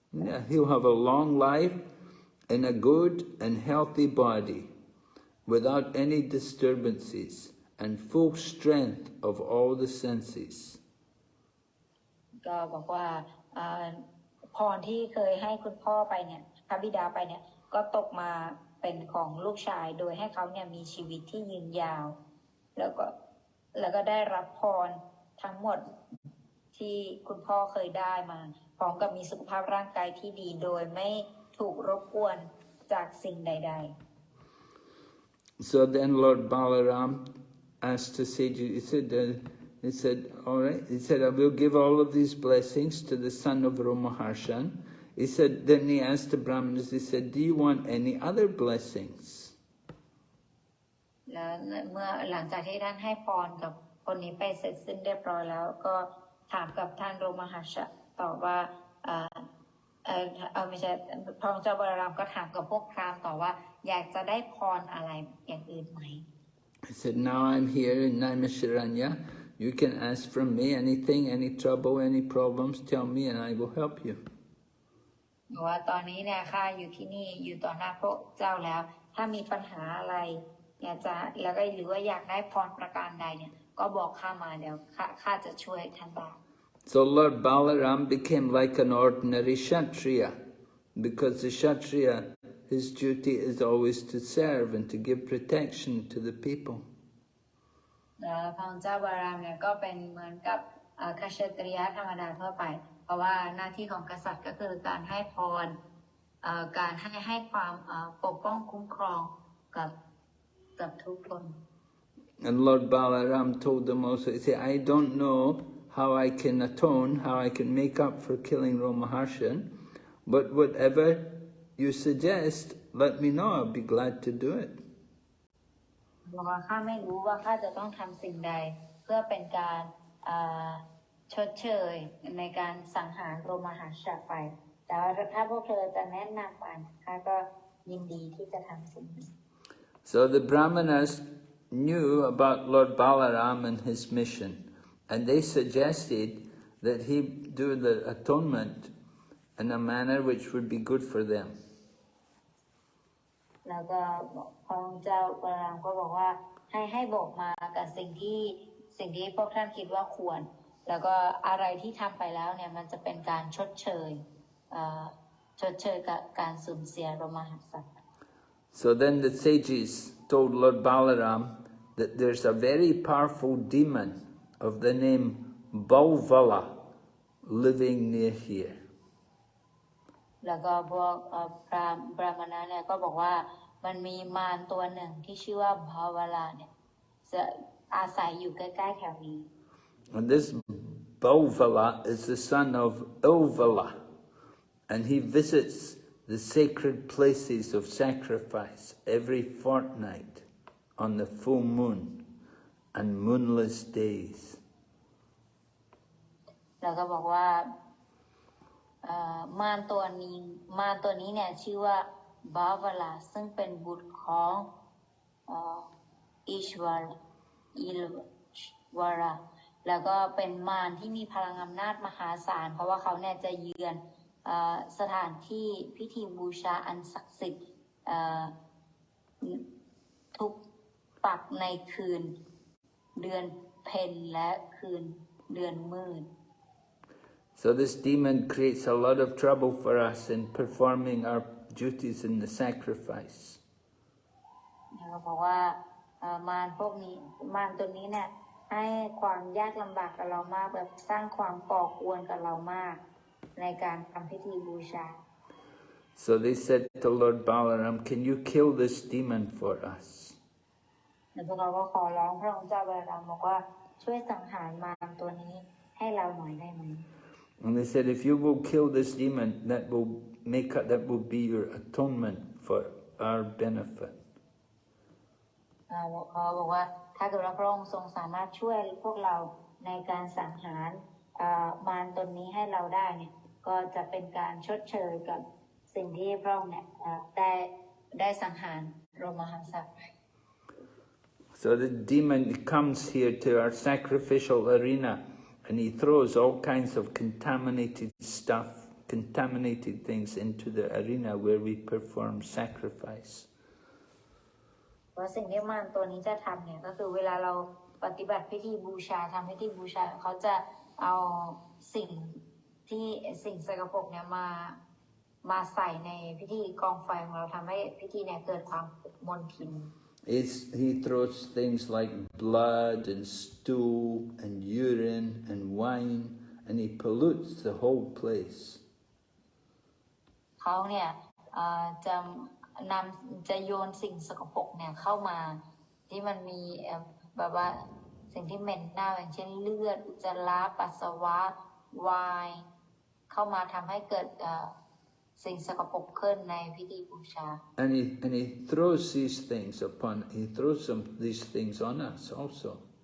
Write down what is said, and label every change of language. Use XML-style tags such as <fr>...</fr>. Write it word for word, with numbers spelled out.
<en>Yeah, he'll have a long life in a good and healthy body, without any disturbances, and full strength of all the senses.</en> <th>ก็บอกว่าเอ่อพรที่เคยให้คุณพ่อไปเนี่ยพระบิดาไปเนี่ยก็ตกมาเป็นของลูกชายโดยให้เขาเนี่ยมีชีวิตที่ยืนยาว แล้วก็แล้วก็ได้รับพรทั้งหมดที่คุณพ่อเคยได้มาพร้อมกับมีสุขภาพร่างกายที่ดีโดยไม่ถูกรบกวนจากสิ่งใด ๆ</th> <en>So then Lord Balaram asked the sages, he said, uh, he said, all right, he said, I will give all of these blessings to the son of Romaharshan. He said, then he asked the Brahmanas, he said, do you want any other blessings?</en> <th>แล้วเมื่อหลังจากที่ท่านให้พรกับคนนี้ไปเสร็จสิ้นเรียบร้อยแล้วก็ถามกับท่านโรมหาชะตอบว่าเออเออเอ่อไม่ใช่พระองค์เจ้าบารามก็ถามกับพวกพราหมณ์ต่อว่าอยากจะได้พรอะไรอย่างอื่นไหม</th> <en>He said, now I'm here in Naimisharanya. You can ask from me anything, any trouble, any problems, tell me and I will help you.</en> <th>บอกว่าตอนนี้เนี่ยข้าอยู่ที่นี่อยู่ต่อหน้าพระเจ้าแล้ว ถ้ามีปัญหาอะไรอยากจะแล้วก็หรือว่าอยากได้พรประการใดเนี่ยก็บอกข้ามาเดี๋ยวข้าข้าจะช่วยท่านได้</th> <en>So Lord Balaram became like an ordinary Kshatriya, because the Kshatriya, his duty is always to serve and to give protection to the people.</en> <th>แล้วพระองค์เจ้าบารามเนี่ยก็เป็นเหมือนกับเอ่อคาเชตริยะธรรมดาทั่วไป เพราะว่าหน้าที่ของกษัตริย์ก็คือการให้พรเอ่อการให้ให้ความเอ่อปกป้องคุ้มครองกับกับทุกคน</th> <en>And Lord Balaram told them also, he said, I don't know how I can atone, how I can make up for killing Romaharshan, but whatever you suggest, let me know, I'll be glad to do it.</en> <th>บอกว่าข้าไม่รู้ว่าข้าจะต้องทำสิ่งใด เพื่อเป็นการเอ่อชดเชยในการสังหารโรมหาชาไปแต่ว่าถ้าพวกเธอจะแนะนำมาข้าก็ยินดีที่จะทำสิ่งนี้</th> <en>So the Brahmanas knew about Lord Balaram and his mission, and they suggested that he do the atonement in a manner which would be good for them.</en> <th>แล้วก็พระองค์เจ้าบารามก็บอกว่าให้ให้บอกมากับสิ่งที่สิ่งที่พวกท่านคิดว่าควร แล้วก็อะไรที่ทำไปแล้วเนี่ยมันจะเป็นการชดเชยเอ่อชดเชยกับการสูญเสียโรมหะสัตว์</th> <en>So then the sages told Lord Balaram that there's a very powerful demon of the name Balvala living near here.</en> <th>แล้วก็พวกเอ่อพราหมณ์บรามณะเนี่ยก็บอกว่ามันมีมารตัวหนึ่งที่ชื่อว่าภาวลาเนี่ยจะอาศัยอยู่ใกล้ๆแถวนี้</th> <en>And this Balvala is the son of Ilvala, and he visits the sacred places of sacrifice every fortnight on the full moon and moonless days.</en> <th>แล้วก็บอกว่าเอ่อมารตัวนี้มารตัวนี้เนี่ยชื่อว่าบาวลาซึ่งเป็นบุตรของเอ่ออิชวาระอิล วาระแล้วก็เป็นมารที่มีพลังอำนาจมหาศาลเพราะว่าเขาเนี่ยจะเยือนเอ่อสถานที่พิธีบูชาอันศักดิ์สิทธิ์เอ่อทุกปักในคืนเดือนเพ็ญและคืนเดือนมืด</th> <en>So this demon creates a lot of trouble for us in performing our duties in the sacrifice.</en> <th>เขาบอกว่า เอ่อมารพวกนี้มารตัวนี้เนี่ยให้ความยากลำบากกับเรามากแบบสร้างความก่อกวนกับเรามาก ในการทำพิธีบูชา</th> <en>So they said to Lord Balaram, "Can you kill this demon for us?"</en> <th>แล้วพวกเราก็ขอร้องพระองค์เจ้าบาลามบอกว่าช่วยสังหารมารตัวนี้ให้เราหน่อยได้ไหม</th> <en>And they said, "If you will kill this demon, that will make that will be your atonement for our benefit."</en> <th>อ่าบอกเขาบอกว่าถ้าเกิดว่าพระองค์ทรงสามารถช่วยพวกเราในการสังหารอ่ามารตนนี้ให้เราได้เนี่ยก็จะเป็นการชดเชยกับสิ่งที่พระองค์เนี่ยอ่าได้ได้สังหารโรมาหังสะไป</th> <en>So the demon comes here to our sacrificial arena and he throws all kinds of contaminated stuff, contaminated things into the arena where we perform sacrifice.</en> <th>เพราะสิ่งที่มารตัวนี้จะทำเนี่ยก็คือเวลาเราปฏิบัติพิธีบูชาทำพิธีบูชาเขาจะเอาสิ่งที่สิ่งสกปรกเนี่ยมามาใส่ในพิธีกองไฟของเราทำให้พิธีเนี่ยเกิดความมนทิน</th> <en>It's, he throws things like blood and stool and urine and wine and he pollutes the whole place.</en> <th>เขาเนี่ยเอ่อจะนำจะโยนสิ่งสกปรกเนี่ยเข้ามาที่มันมีเอ่อแบบว่าสิ่งที่เหม็นเน่าอย่างเช่นเลือดอุจจาระปัสสาวะไวน์เข้ามาทำให้เกิดเอ่อสิ่งสกปรกขึ้นในพิธีบูชา</th> <en>And he, and he throws these things upon, he throws some, these things on us also.</en>